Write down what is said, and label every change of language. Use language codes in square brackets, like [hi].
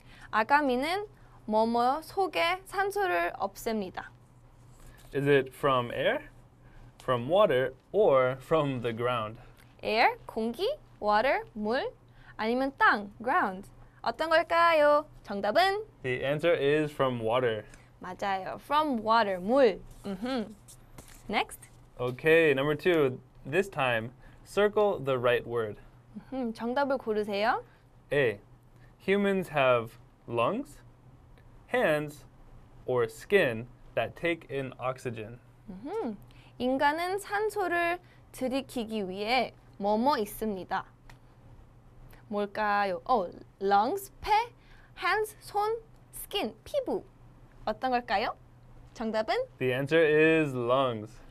[ko] 아가미는 뭐뭐 속에 산소를 없앱니다. [en] Is it from air, from water, or from the ground? [ko] Air, 공기, water, 물, 아니면 땅, ground. 어떤 걸까요? 정답은? [en] The answer is from water. [ko] 맞아요. [en] From water, 물. Next. Okay, number two. This time, circle the right word. [ko] 정답을 고르세요. [en] A. Humans have lungs, hands, or skin that take in oxygen. [ko] 인간은 산소를 들이키기 위해 뭐뭐 있습니다. 뭘까요? Lungs, 폐, hands, 손, skin, 피부. 어떤 걸까요? 정답은? [en] The answer is lungs.